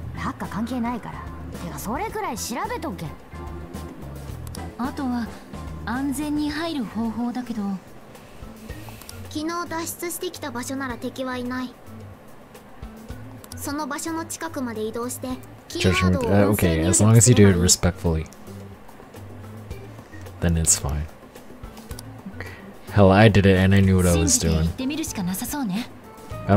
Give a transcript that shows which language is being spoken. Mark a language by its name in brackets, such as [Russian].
[Japanese] ハッカー関係ないから、てかそれくらい調べとけ。あとは安全に入る方法だけど。昨日脱出してきた場所なら敵はいない。その場所の近くまで移動して、キーワードを。Okay, [English] as long as you do it respectfully, then it's fine. Hell, I did it and I knew what I was doing. [Japanese] 信じて行ってみるしかなさそうね。I